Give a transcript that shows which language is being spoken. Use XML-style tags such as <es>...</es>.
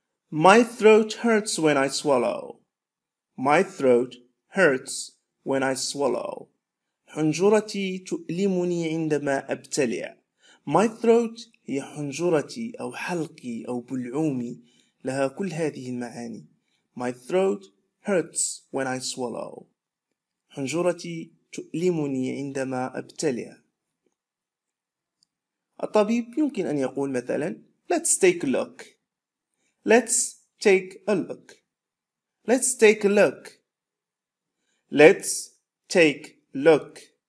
<en>My throat hurts when I swallow. My throat hurts when I swallow.</en> <ar>حنجرتي تؤلمني عندما أبتلع. My throat هي حنجرتي أو حلقي أو بلعومي، لها كل هذه المعاني.</ar> <en>My throat hurts when I swallow.</en> <ar>حنجرتي تؤلمني عندما أبتلع. الطبيب يمكن أن يقول مثلا</ar> <en>Let's take a look. Let's take a look. Let's take a look. Let's take a look.</en>